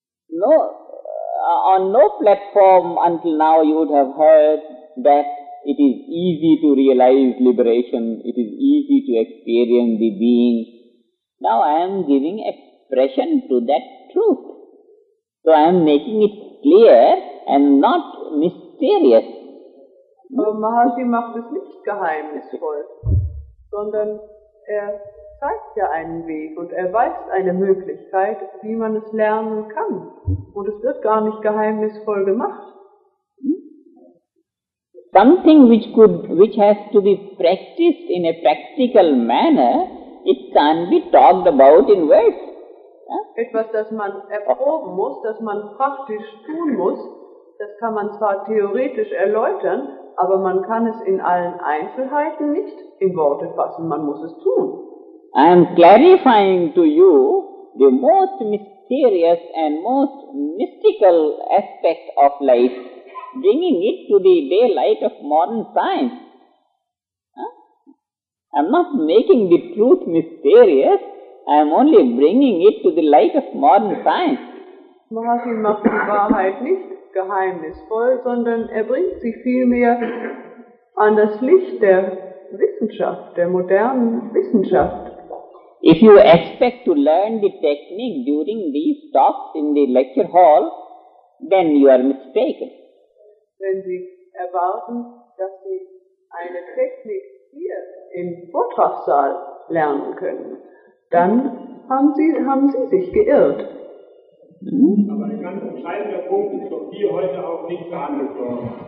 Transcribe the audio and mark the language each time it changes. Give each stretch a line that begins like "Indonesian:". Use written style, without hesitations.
English: No, on no platform until now you would have heard that it is easy to realize liberation, it is easy to experience the being. Now I am giving expression to that truth. So I am making it clear and not mysterious.
German: Aber Maharshi macht es nicht geheimnisvoll. sondern er zeigt ja einen Weg und er weiß eine Möglichkeit, wie man es lernen kann. Und es wird gar nicht geheimnisvoll gemacht.
English: Something which has to be practiced in a practical manner, it can't be talked about in words.
German: Etwas, das man erproben muss, das man praktisch tun muss, das kann man zwar theoretisch erläutern, aber man kann es in allen Einzelheiten nicht in Worte fassen, man muss es tun.
English: I am clarifying to you the most mysterious and most mystical aspect of life, bringing it to the daylight of modern science. I am not making the truth mysterious, I am only bringing it to the light of modern science.
German: Maharshi macht die Wahrheit nicht geheimnisvoll, sondern er bringt sie vielmehr an das Licht der Wissenschaft, der modernen Wissenschaft.
English: If you expect to learn the technique during these talks in the lecture hall, then you are mistaken.
German: Wenn Sie erwarten, dass Sie eine Technik hier im Vortragssaal lernen können, dann haben Sie sich geirrt. Aber ein ganz entscheidender Punkt ist doch hier heute auch nicht behandelt worden.